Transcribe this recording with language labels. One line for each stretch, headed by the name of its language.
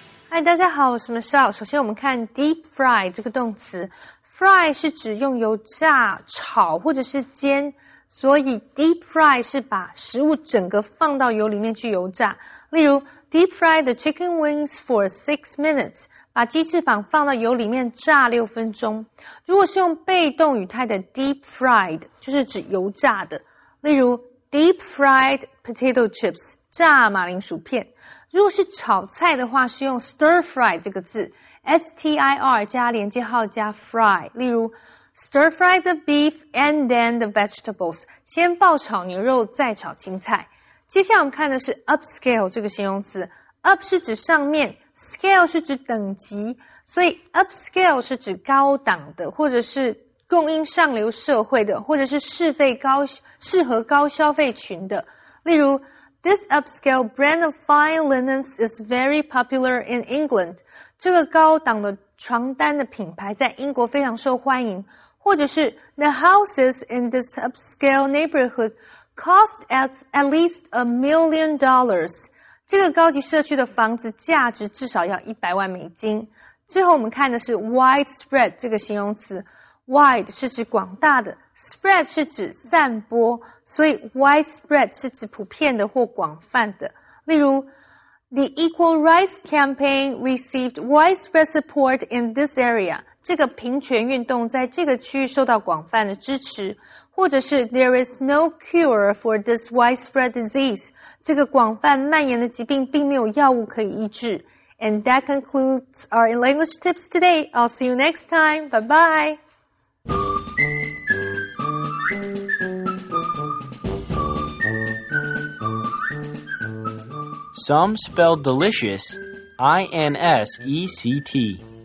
English: Hi,
Chinese: 大家好，我是 Michelle。首先我们看 deep fry 这个动词。 Fry 是指用油炸、炒或者是煎。所以 deep fry 是把食物整个放到油里面去油炸。例如
English: deep fry the chicken wings for 6 minutes,
Chinese: 把鸡翅膀放到油里面炸6分钟。如果是用被动语态的 deep fried, 就是指油炸的。例如
English: deep fried potato chips,
Chinese: 炸马铃薯片。如果是炒菜的话是用
English: stir fry 这个字 ,STIR 加连接号加 fry, 例如 stir fry the beef and then the vegetables,
Chinese: 先爆炒牛肉再炒青菜。接下来我们看的是 upscale 这个形容词 ,up 是指上面 ,scale 是指等级，所以 upscale 是指高档的或者是供应上流社会的或者是适合高消费群的，例如
English: This upscale brand of fine linens is very popular in England.
Chinese: 这个高档的床单的品牌在英国非常受欢迎。
English: 或者是 The houses in this upscale neighborhood cost at least $1 million.
Chinese: 这个高级社区的房子价值至少要$1,000,000。最后我们看的是 widespread 这个形容词。 Wide 是指广大的。 Spread 是指散播，所以 widespread 是指普遍的或广泛的。
English: 例如 ,The Equal Rights Campaign received widespread support in this area.
Chinese: 这个平权运动在这个区域受到广泛的支持。
English: 或者是 ,There is no cure for this widespread disease.
Chinese: 这个广泛蔓延的疾病并没有药物可以医治。
English: And that concludes our language tips today. I'll see you next time. Bye-bye. Some spell delicious, I-N-S-E-C-T.